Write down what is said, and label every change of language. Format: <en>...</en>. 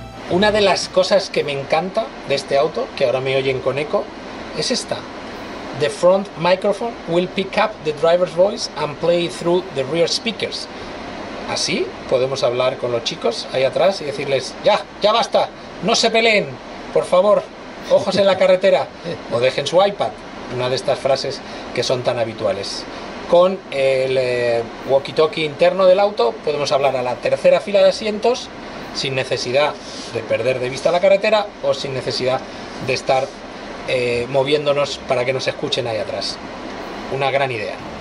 <es>Una de las cosas que me encanta de este auto, que ahora me oyen con eco, es esta.</es> <en>The front microphone will pick up the driver's voice and play through the rear speakers.</en> <es>Así podemos hablar con los chicos ahí atrás y decirles, ya, ya basta, no se peleen, por favor, ojos en la carretera, o dejen su iPad. Una de estas frases que son tan habituales. Con el walkie-talkie interno del auto podemos hablar a la tercera fila de asientos sin necesidad de perder de vista la carretera o sin necesidad de estar moviéndonos para que nos escuchen ahí atrás. Una gran idea.</es>